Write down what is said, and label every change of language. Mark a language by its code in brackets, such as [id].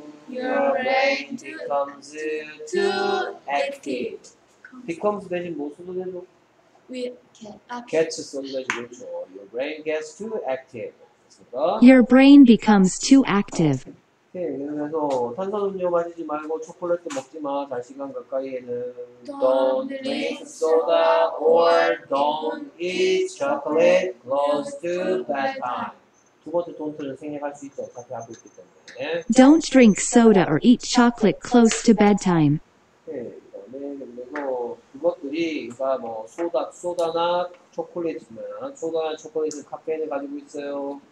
[en] Your brain becomes too active. [ko] Becomes 대신 뭐 써도 되죠? [en] Gets [ko] 써도 되죠. 그렇죠. [en] Your brain gets too active. Your brain becomes too active. [ko] 그래서 탄산음료 [en] okay, [ko] 마시지 말고 초콜릿도 먹지 마. 잘 시간 가까이에는 [en] don't drink soda or don't eat chocolate close to bedtime. [ko] 두 번째 don't를 생략할 수 있죠. 같이 하고 있기 때문에. [en] Don't drink soda or eat chocolate close to bedtime. [ko] 그래서 그것들이 그러니까 뭐 소다나 초콜릿이나 소다나 초콜릿은 카페인을 가지고 있어요.